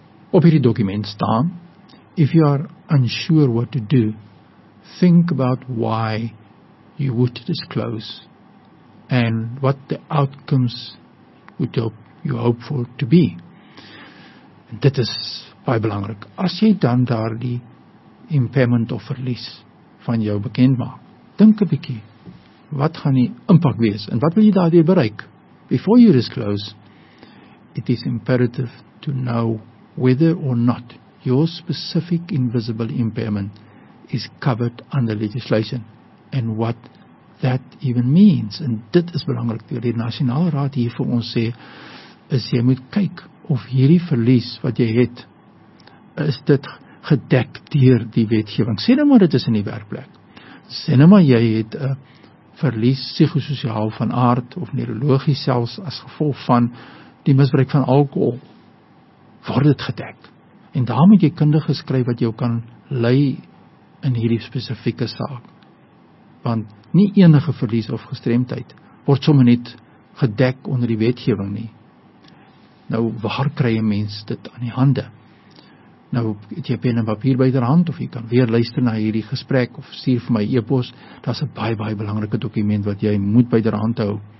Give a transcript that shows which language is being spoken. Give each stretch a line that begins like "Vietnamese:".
Afrikaans: Op hierdie dokument staan,
English: if you are unsure what to do, think about why you would disclose and what the outcomes would you hope for to be.
Afrikaans: En dit is baie belangrik. As jy dan daar die impairment of verlies van jou bekend maak, dink 'n bietjie, wat gaan die impak wees en wat wil jy daardie bereik?
English: Before you disclose, it is imperative to know whether or not your specific invisible impairment is covered under legislation and what that even means.
Afrikaans: En dit is belangrik, die Nasionale Raad hier vir ons sê, is jy moet kyk of hierdie verlies wat jy het, is dit gedek deur die wetgewing. Sê nou maar dit is in die werkplek. Sê nou maar jy het een verlies psychosociaal van aard of neurologisch selfs as gevolg van die misbruik van alcohol. Word dit gedek? En daar moet jy kundige skryf wat jou kan lei in hierdie spesifieke saak. Want nie enige verlies of gestremdheid word sommer net gedek onder die wetgewing nie. Nou, waar kry jy mens dit aan die hande? Nou, het jy pen en papier by die hand, of jy kan weer luister na hierdie gesprek, of stuur vir my e-pos, dat is een baie, baie belangrike dokument wat jy moet by die hand hou.